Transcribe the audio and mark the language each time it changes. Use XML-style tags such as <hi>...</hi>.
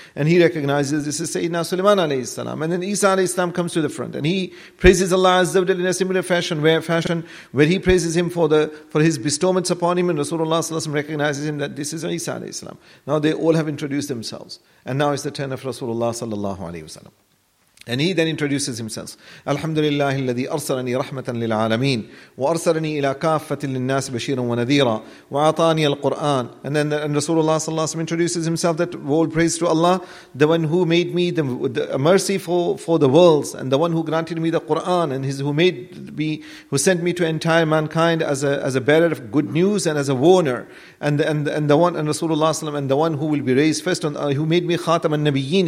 <en>And he recognizes this is Sayyidina Sulaiman alayhi salam. And then Isa alayhi salam comes to the front and he praises Allah Azza wa Jalla in a similar fashion where he praises him for his bestowments upon him. And Rasulullah sallallahu alayhi wasallam recognizes him that this is Isa alayhi salam. Now they all have introduced themselves. And now it's the turn of Rasulullah sallallahu alayhi wasallam. And he then introduces himself.</en> <ar>Alhamdulillah, الذي أرسلني رحمة للعالمين وأرسلني إلى كافة للناس بشيرا ونذيرا وعطاني القرآن.</ar> <en>And then and Rasulullah صلى الله عليه وسلم introduces himself that all praise to Allah, the one who made me the mercy for the worlds, and the one who granted me the Quran, and his who sent me to entire mankind as a bearer of good news and as a warner, and the one and Rasulullah صلى الله عليه وسلم, and the one who will be raised first on who made me خاتم النبيين.</en>